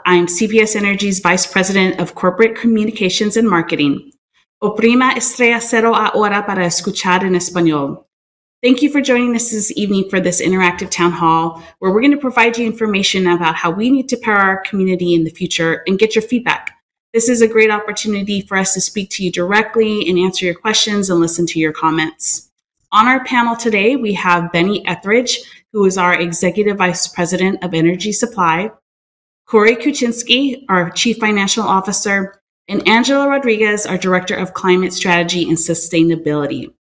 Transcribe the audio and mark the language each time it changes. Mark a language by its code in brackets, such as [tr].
[en] I'm CPS Energy's Vice President of Corporate Communications and Marketing. [es] Oprima estrella cero ahora para escuchar en español. [en] Thank you for joining us this evening for this interactive town hall, where we're going to provide you information about how we need to power our community in the future and get your feedback. This is a great opportunity for us to speak to you directly and answer your questions and listen to your comments. On our panel today, we have Benny Etheridge, who is our Executive Vice President of Energy Supply, Corey Kuczynski, our Chief Financial Officer, and Angela Rodriguez, our Director of Climate Strategy and Sustainability.